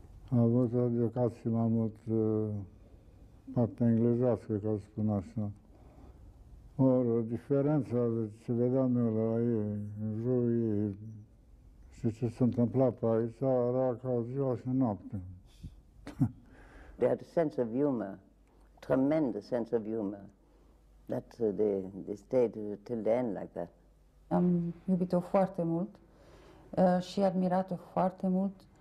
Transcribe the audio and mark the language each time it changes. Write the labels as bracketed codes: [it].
[ro] A avut o educație mai mult partea englezească, ca să spun așa. Or, diferența de ce vedeam eu la ei, în jurul ei, și ce se întâmpla pe aici, era ca ziua și noapte. [en] They had a sense of humor, tremendous sense of humor. That they stayed till the end like that. [ro] Am iubit-o foarte mult și admirat-o foarte mult.